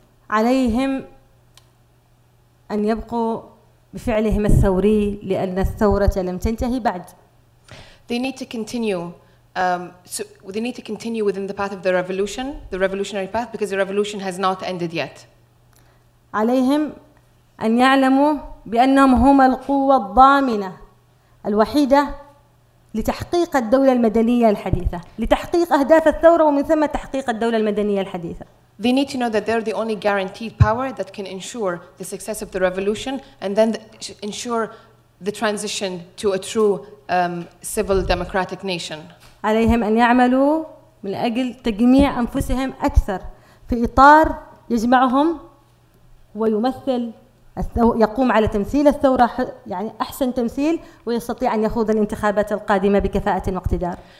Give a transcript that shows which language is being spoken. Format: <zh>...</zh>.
<ar>عليهم أن يبقوا بفعلهم الثوري لأن الثورة لم تنتهي بعد.</ar> <en>They need to continue. They need to continue within the path of the revolution, the revolutionary path, because the revolution has not ended yet.</en> <ar>عليهم أن يعلموا بأنهم هم القوة الضامنة الوحيدة لتحقيق الدولة المدنية الحديثة، لتحقيق أهداف الثورة ومن ثم تحقيق الدولة المدنية الحديثة.</ar> <en>They need to know that they're the only guaranteed power that can ensure the success of the revolution and then ensure the transition to a true civil democratic nation.</en> <ar>عليهم أن يعملوا من أجل تجميع أنفسهم أكثر في إطار يجمعهم ويمثل يقوم على تمثيل الثورة يعني أحسن تمثيل ويستطيع أن يخوض الانتخابات القادمة بكفاءة واقتدار.</ar>